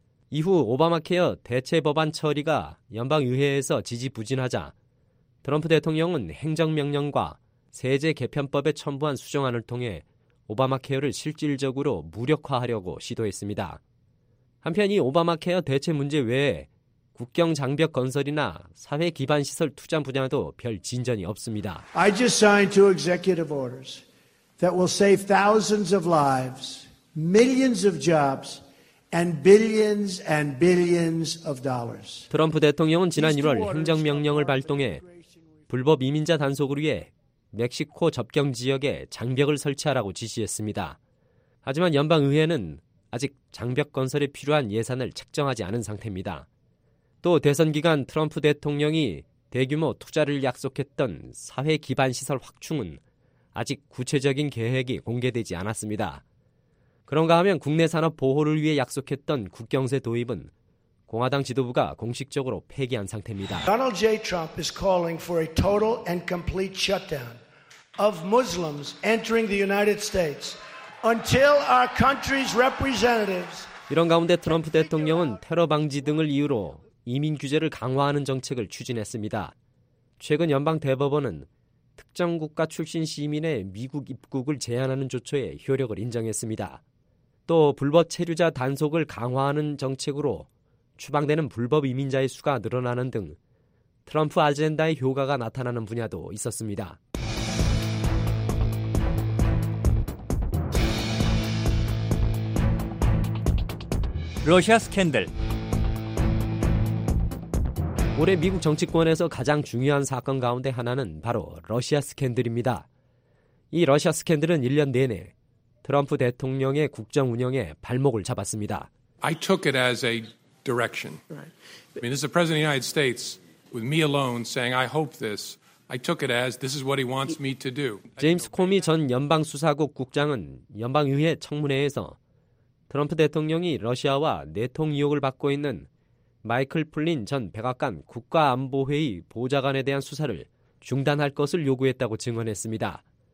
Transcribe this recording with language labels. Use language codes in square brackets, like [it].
[ko] 이후 오바마 케어 대체 법안 처리가 연방의회에서 지지부진하자 트럼프 대통령은 행정명령과 세제 개편법에 첨부한 수정안을 통해 오바마 케어를 실질적으로 무력화하려고 시도했습니다. 한편 이 오바마 케어 대체 문제 외에 국경 장벽 건설이나 사회 기반 시설 투자 분야도 별 진전이 없습니다. [en] I just signed two executive orders that will save thousands of lives, millions of jobs, and billions of dollars. [ko] 트럼프 대통령은 지난 1월 행정명령을 발동해 불법 이민자 단속을 위해 멕시코 접경 지역에 장벽을 설치하라고 지시했습니다. 하지만 연방의회는 아직 장벽 건설에 필요한 예산을 책정하지 않은 상태입니다. 또 대선 기간 트럼프 대통령이 대규모 투자를 약속했던 사회 기반 시설 확충은 아직 구체적인 계획이 공개되지 않았습니다. 그런가 하면 국내 산업 보호를 위해 약속했던 국경세 도입은 공화당 지도부가 공식적으로 폐기한 상태입니다. [en] Donald J. Trump is calling for a total and complete shutdown of Muslims entering the United States until our country's representatives. [ko] 이런 가운데 트럼프 대통령은 테러 방지 등을 이유로 이민 규제를 강화하는 정책을 추진했습니다. 최근 연방 대법원은 특정 국가 출신 시민의 미국 입국을 제한하는 조처에 효력을 인정했습니다. 또 불법 체류자 단속을 강화하는 정책으로 추방되는 불법 이민자의 수가 늘어나는 등 트럼프 아젠다의 효과가 나타나는 분야도 있었습니다. 러시아 스캔들. 올해 미국 정치권에서 가장 중요한 사건 가운데 하나는 바로 러시아 스캔들입니다. 이 러시아 스캔들은 1년 내내 트럼프 대통령의 국정 운영에 발목을 잡았습니다. [en] I took it as a direction. Right. I mean, this is the President of the United States with me alone saying I hope this. I took it as this is what he wants me to do. [ko] 제임스 코미 전 연방 수사국 국장은 연방 의회 청문회에서 트럼프 대통령이 러시아와 내통 의혹을 받고 있는 마이클 플린 전 백악관 국가안보회의 보좌관에 대한 수사를 중단할 것을 요구했다고 증언했습니다.